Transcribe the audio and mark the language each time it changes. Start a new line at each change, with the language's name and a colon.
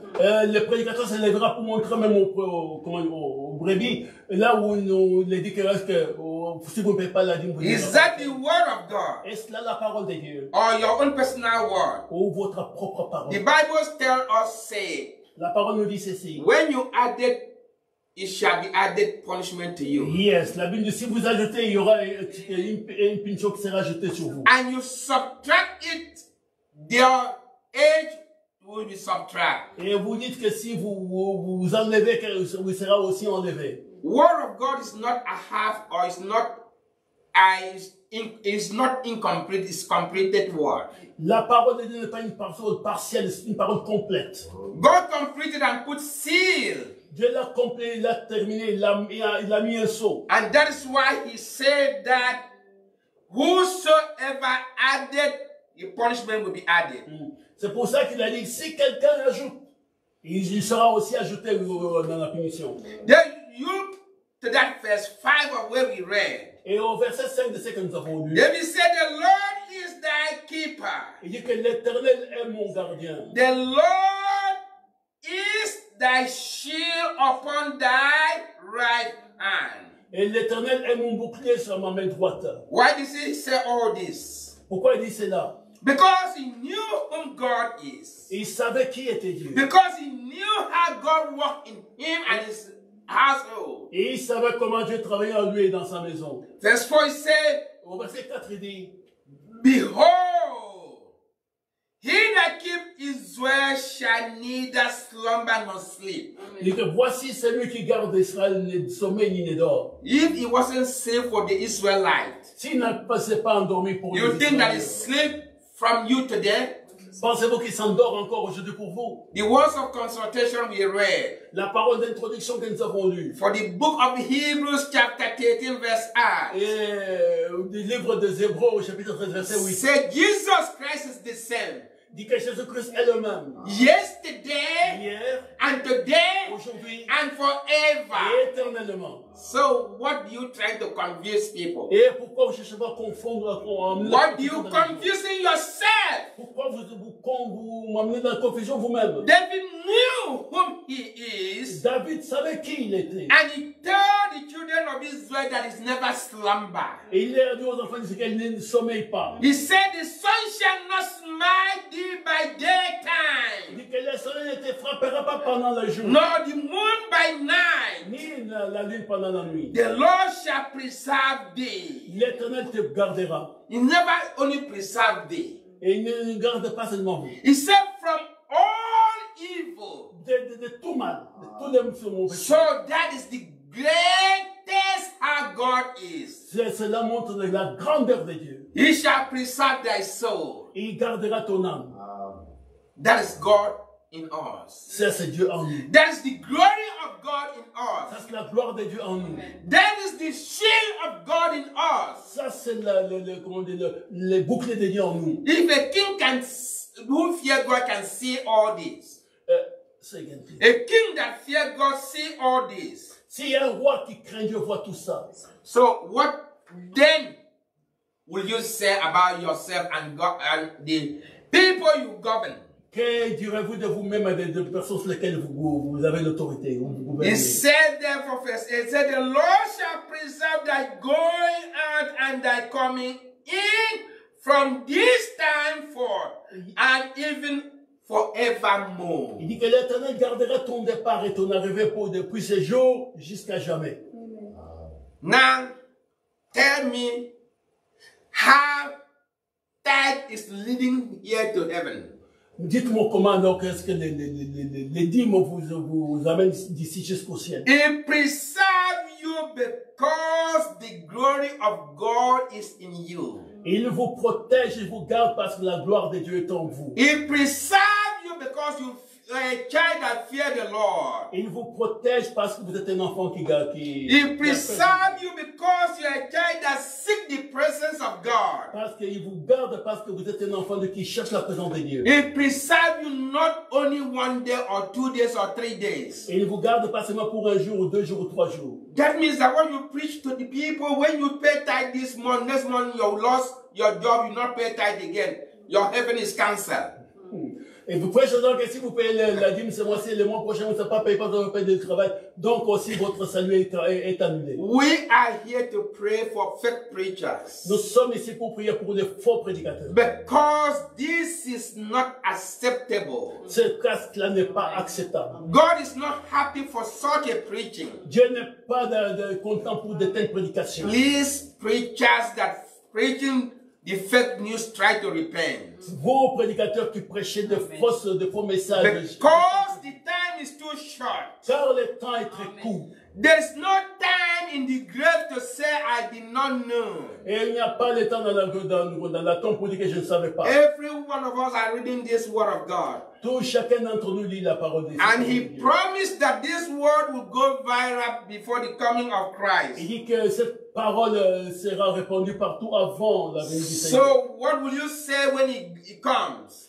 French: Le prédicateur se lèvera pour montrer même au brebis là où nous les dit que si vous ne payez pas la dîme, vous n'avez pas.
English: Is that the word of God?
French: Est-ce là la parole de Dieu?
English: Or your own personal word?
French: Ou votre propre parole?
English: The Bible tells us say.
French: La parole nous dit ceci.
English: When you add it, it shall be added punishment to you.
French: Yes, la Bible dit si vous ajoutez, il y aura une punition qui sera ajoutée sur vous.
English: And you subtract it, their age will be subtracted.
French: Et vous dites que si vous enlevez, qu'il sera aussi enlevé.
English: Word of God is not a half or is not is not incomplete. It's completed word.
French: La parole de Dieu n'est pas une parole partielle, c'est une parole complète.
English: God completed and put seal.
French: Dieu l'a complété, l'a terminé, il a mis un sceau.
English: And that is why he said that whosoever added, the punishment will be added.
French: C'est pour ça qu'il a dit si quelqu'un ajoute, il sera aussi ajouté dans la punition.
English: Then you to that verse 5 of where we read.
French: Et au verset 5 de ce que nous avons lu.
English: David said the Lord is thy keeper.
French: Il dit que l'Éternel est mon gardien.
English: The Lord is thy shield upon thy right hand.
French: Et l'Éternel est mon bouclier sur ma main droite.
English: Why did he say all this?
French: Pourquoi il dit cela?
English: Because he knew whom God is.
French: Il savait qui était Dieu.
English: Because he knew how God worked in him and his household.
French: Et il savait comment Dieu travaillait en lui et dans sa maison.
English: Verse 4, he said,
French: au verset 4, il dit,
English: behold, he that keep Israel shall neither slumber nor sleep.
French: Il dit que voici celui qui garde Israël ne sommeil ni ne dort.
English: If he wasn't safe for the Israelites,
French: s'il n'a pas endormi pour
English: you
French: les
English: think that he sleep from you today?
French: Pensez-vous qu'il s'endort encore aujourd'hui pour vous?
English: The words of consultation we read.
French: La parole d'introduction que nous avons lue.
English: For the book of Hebrews chapter 13 verse 8.
French: Et le livre des Hébreux chapitre 13 verset 8.
English: Say Jesus Christ is the same.
French: Dit que Jésus-Christ est le même.
English: Yesterday.
French: Hier.
English: And today.
French: Aujourd'hui.
English: And forever.
French: Et éternellement.
English: So what do you try to convince people?
French: Et pourquoi vous cherchez à confondre la confusion?
English: What do you confusing yourself?
French: Pourquoi vous m'amenez dans la confusion vous-même?
English: David knew who he is.
French: David savait qui il était.
English: And he told the children of Israel that he's never slumber.
French: Et il a dit aux enfants qu'il ne sommeille pas.
English: He said the sun shall not smite thee by daytime.
French: Dit que le soleil ne te frappera pas pendant le jour.
English: Nor the moon by night.
French: Ni la lune pendant la nuit.
English: The Lord shall preserve thee.
French: L'Éternel te gardera.
English: He never only preserve thee.
French: Et il ne garde pas seulement vous.
English: He said from all evil.
French: De tout mal. De tout le mauvais.
English: So that is the greatest how God is.
French: Cela montre la grandeur de Dieu.
English: He shall preserve thy soul.
French: Il gardera ton âme.
English: That is God in us.
French: C'est Dieu en nous.
English: That's the glory of God in us.
French: Ça, c'est la gloire de Dieu en nous.
English: That is the shield of God in us.
French: Ça, c'est le bouclier de Dieu en nous.
English: If a king can, who fear God can see all this. Say again, a king that fear God see all this.
French: Si un roi qui craint Dieu voit tout ça.
English: So what then will you say about yourself and God and the people you govern?
French: Que direz-vous de vous-même et des personnes sur lesquelles vous avez l'autorité?
English: It said therefore, first, it said the Lord shall preserve thy going out and thy coming in from this time forth and even forevermore.
French: Il dit que l'Éternel gardera ton départ et ton arrivée pour depuis ce jour jusqu'à jamais.
English: Now, tell me how that is leading here to heaven.
French: Dites-moi comment donc est-ce que les dîmes vous amènent d'ici jusqu'au ciel.
English: It preserves you because the glory of God is in you.
French: Il vous protège, il vous garde parce que la gloire de Dieu est en vous.
English: It preserves you because you a child that fear the Lord.
French: Il vous protège parce que vous êtes un enfant qui garde.
English: He preserves you because you are a child that seek the presence of God.
French: Parce qu'il vous garde parce que vous êtes un enfant de qui cherche la présence de Dieu.
English: He preserves you not only one day or two days or three days.
French: Et il vous garde pas seulement pour un jour ou deux jours ou trois jours.
English: That means that when you preach to the people, when you pay tithe this month, next month you lost your job, you not pay tithe again. Your heaven is cancelled.
French: Et vous pouvez choisir que si vous payez la dîme ce mois-ci, le mois prochain, vous ne pas payer pas de paye de travail. Donc aussi, votre salut est annulé.
English: We are here to pray for fake preachers.
French: Nous sommes ici pour prier pour les faux prédicateurs.
English: Because this is not acceptable.
French: Ce casque-là n'est pas acceptable.
English: God is not happy for such a preaching.
French: Dieu n'est pas de content pour de telles prédications.
English: Please, preachers that preaching the fake news, try to repent.
French: Vos prédicateurs qui prêchez de faux messages.
English: Because the time is too short.
French: Car le temps est très court.
English: There's no time in the grave to say I did not know.
French: Et il n'y a pas le temps dans la tombe pour dire que je ne savais pas.
English: Every one of us are reading this word of God.
French: Tout chacun d'entre nous lit la parole de Dieu.
English: And he promised that this word would go viral before the coming of Christ.
French: Il dit que cette parole sera répandue partout avant la venue du Seigneur.
English: So what will you say when he comes?